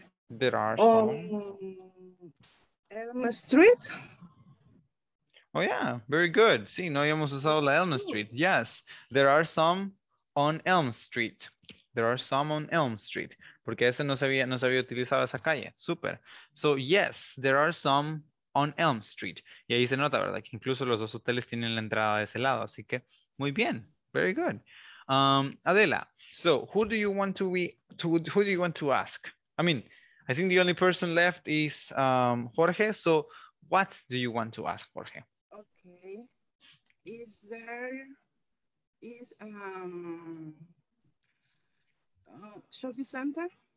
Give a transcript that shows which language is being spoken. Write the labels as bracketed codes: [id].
[en] There are some. Elm Street? Oh yeah, very good. [es] Sí, no habíamos usado la Elm Street. [en] Yes, there are some on Elm Street. There are some on Elm Street. [es] Porque ese no se había utilizado esa calle. Super. [en] So yes, there are some on Elm Street. [es] Y ahí se nota, ¿verdad? Que incluso los dos hoteles tienen la entrada de ese lado. Así que, muy bien. [en] Very good. Adela, so who do you want to ask? I mean, I think the only person left is Jorge. So what do you want to ask, Jorge? Okay. Is there shopping center?